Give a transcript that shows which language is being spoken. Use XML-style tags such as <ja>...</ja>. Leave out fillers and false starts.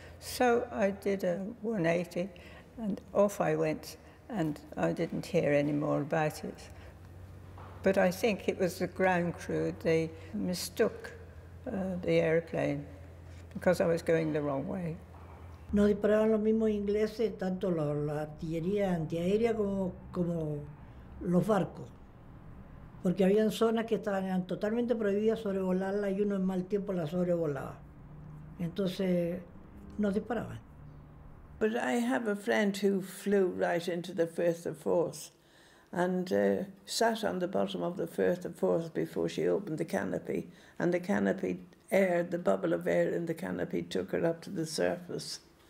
<en>So I did a 180 and off I went and I didn't hear any more about it. But I think it was the ground crew, they mistook the aeroplane because I was going the wrong way.</en> <es>No disparaban los mismos ingleses, tanto la artillería antiaérea como los barcos. Porque habían zonas que estaban totalmente prohibidas sobrevolarlas y uno en mal tiempo las sobrevolaba. Entonces, no disparaban.</es> <en>But I have a friend who flew right into the first of force. And sat on the bottom of the first and fourth before she opened the canopy. And the canopy air, the bubble of air in the canopy took her up to the surface.</en>